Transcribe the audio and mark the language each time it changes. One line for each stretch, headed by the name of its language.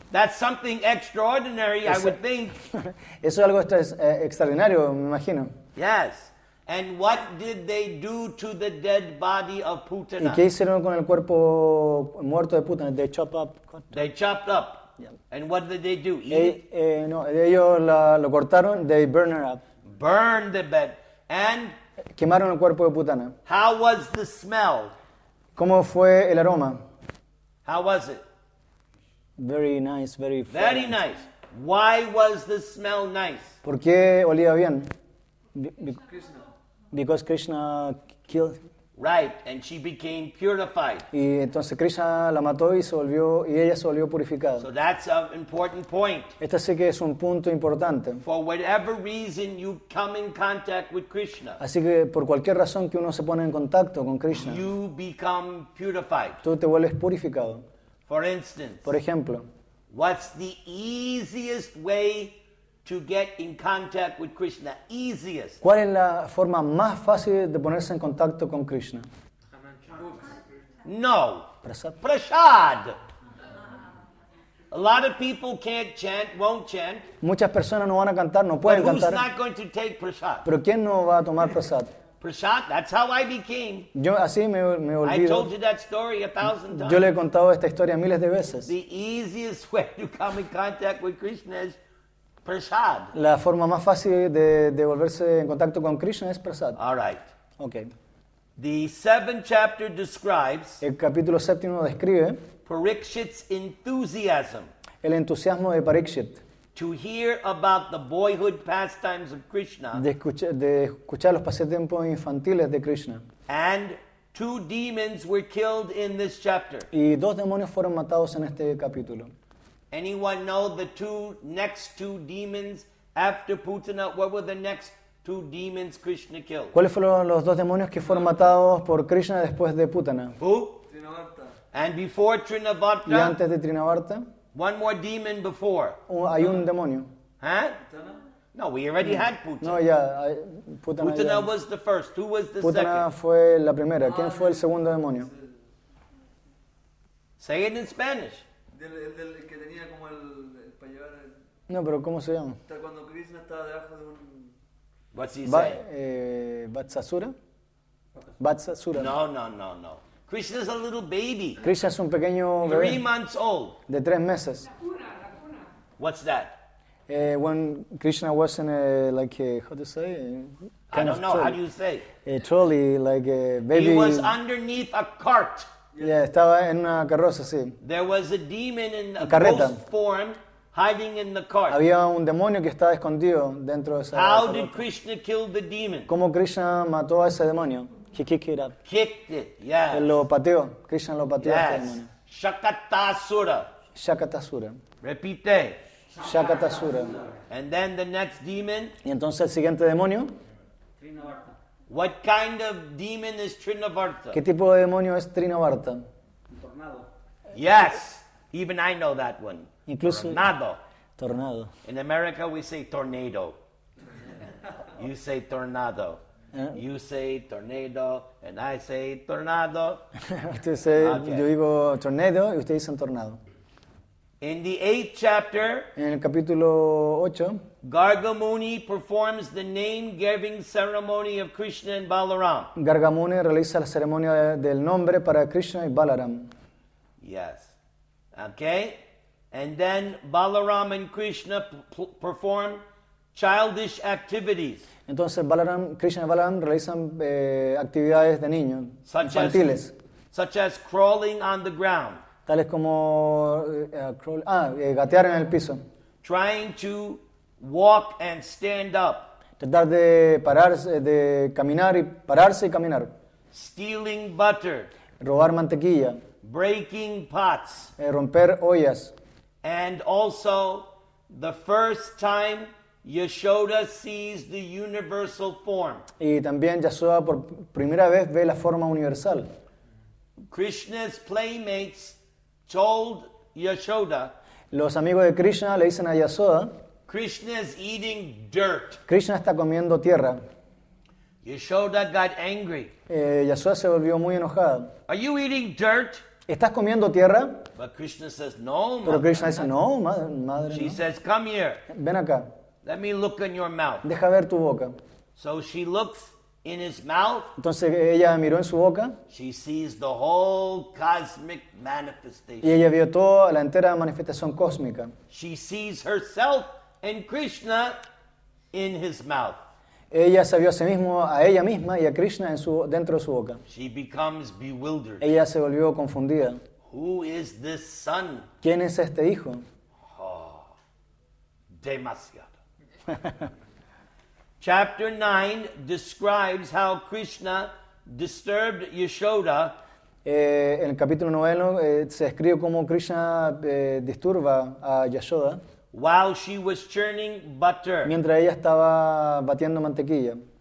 English: That's something extraordinary, I would think.
Spanish: Eso es algo extraordinario, me imagino.
English: Yes. And what did they do to the dead body of Putana?
Spanish: ¿Y qué hicieron con el cuerpo muerto de Putana?
English: They chopped up. They chopped up. Yeah. And what did they do?
Spanish: No, ellos lo cortaron.
English: They burned her up. Burned the bed. And?
Spanish: Quemaron el cuerpo de Putana.
English: How was the smell?
Spanish: ¿Cómo fue el aroma?
English: How was it? Very nice, very fragrant. Very nice. Why was the smell nice?
Spanish: ¿Por qué olía bien?
English: Because Krishna killed. Right, and she became purified.
Spanish: Y entonces Krishna la mató y ella se volvió purificada.
English: So that's an important point.
Spanish: Este sí que es un punto importante.
English: For whatever reason you come in contact with Krishna.
Spanish: Así que por cualquier razón que uno se pone en contacto con Krishna.
English: You become purified.
Spanish: Tú te vuelves purificado.
English: For instance.
Spanish: Por ejemplo.
English: What's the easiest way to get in contact with Krishna? Easiest.
Spanish: ¿Cuál es la forma más fácil de ponerse en contacto con Krishna? No.
English: Prasad. A lot of people can't chant, won't chant.
Spanish: Muchas personas no van a cantar, no pueden cantar.
English: But who's not going to take prasad?
Spanish: ¿Pero quién no va a tomar prasad?
English: Prasad, that's how I became.
Spanish: Yo así me olvido.
English: I told you that story 1,000 times.
Spanish: Yo le he contado esta historia miles de veces.
English: The easiest way to come in contact with Krishna is prasad.
Spanish: La forma más fácil de volverse en contacto con Krishna es prasad.
English: All right. Okay. The seventh chapter describes.
Spanish: El capítulo séptimo describe.
English: Parikshit's enthusiasm.
Spanish: El entusiasmo de Parikshit.
English: To hear about the boyhood pastimes of Krishna.
Spanish: De escuchar los pasatiempos infantiles de Krishna.
English: And two demons were killed in this chapter.
Spanish: Y dos demonios fueron matados en este capítulo.
English: Anyone know the next two demons after Putana? What were the next two demons Krishna killed?
Spanish: ¿Cuáles fueron los dos demonios que fueron matados por Krishna después de Putana?
English: Who? And before Trinavarta,
Spanish: y antes de Trinavarta,
English: one more demon before.
Spanish: Hay un demonio.
English: Huh? No, we already had Putana.
Spanish: No, ya.
English: Putana was the first. Who was the Putana second?
Spanish: Putana fue la primera. ¿Quién fue el segundo demonio?
English: Say it in Spanish.
Spanish: Del que tenía como el payaso. No, pero ¿cómo se llama? Está cuando Krishna estaba debajo de un.
English: What's he say? Vatsasura. Vatsasura. No. Krishna is a little baby.
Spanish: Krishna es un pequeño bebé.
English: 3 months old.
Spanish: De 3 meses. La cuna.
English: What's that? When Krishna was in a, like, a, how to say? I don't know, how do you say? A trolley, like a baby. He was underneath a cart.
Spanish: Yeah, estaba en una carroza, sí.
English: There was a demon in a ghost form hiding in the cart.
Spanish: Había un demonio que estaba escondido dentro de esa carroza.
English: How did Krishna kill the demon?
Spanish: ¿Cómo Krishna mató a ese demonio?
English: He kicked it up. Kicked it, yes.
Spanish: Él lo pateó. Krishna lo pateó. Yes. Este demonio. Shakatasura. Shakatasura. Repite. Shakatasura.
English: And then the next demon.
Spanish: Y entonces el siguiente demonio.
English: Trinavarta. What kind of demon is Trinavarta? ¿Qué tipo de demonio es Trinavarta? Tornado. Yes. Even I know that one.
Spanish: Incluso. Tornado. Tornado.
English: In America we say tornado. You say tornado. You say tornado, and I say tornado.
Spanish: Usted dice, okay. Yo digo tornado, y usted dice tornado.
English: In the eighth chapter,
Spanish: en el capítulo 8,
English: Gargamuni performs the name-giving ceremony of Krishna and Balaram.
Spanish: Gargamuni realiza la ceremonia del nombre para Krishna y Balaram.
English: Yes. Okay. And then Balaram and Krishna perform childish activities.
Spanish: Entonces Balaram, Krishna y Balaram realizan actividades de niños,
English: such
Spanish: infantiles.
English: Such as crawling on the ground.
Spanish: Tales como gatear en el piso.
English: Trying to walk and stand up.
Spanish: Tratar de pararse, de caminar y pararse y caminar.
English: Stealing butter.
Spanish: Robar mantequilla.
English: Breaking pots.
Spanish: Romper ollas.
English: And also the first time Yashoda sees the universal form.
Spanish: Y también Yashoda por primera vez ve la forma universal.
English: Krishna's playmates told Yashoda.
Spanish: Los amigos de Krishna le dicen a Yashoda.
English: Krishna is eating dirt.
Spanish: Krishna está comiendo tierra.
English: Yashoda got angry.
Spanish: Yashoda se volvió muy enojada.
English: Are you eating dirt?
Spanish: ¿Estás comiendo tierra?
English: But Krishna says no.
Spanish: Pero Krishna dice no, madre.
English: She
Spanish: no.
English: Says come here.
Spanish: Ven acá.
English: Let me look in your mouth.
Spanish: Deja ver tu boca.
English: So she looks in his mouth.
Spanish: Entonces ella miró en su boca.
English: She sees the whole cosmic manifestation.
Spanish: Y ella vio toda la entera manifestación cósmica.
English: She sees herself and Krishna in his mouth.
Spanish: Ella se vio a sí misma, a ella misma y a Krishna en su, dentro de su boca.
English: She becomes bewildered.
Spanish: Ella se volvió confundida.
English: Who is this son?
Spanish: ¿Quién es este hijo? Oh, demasiado.
English: Chapter 9 describes how Krishna disturbed Yashoda.
Spanish: En el capítulo 9 se describe cómo Krishna disturba a Yashoda.
English: While she was churning butter.
Spanish: Mientras ella estaba batiendo mantequilla.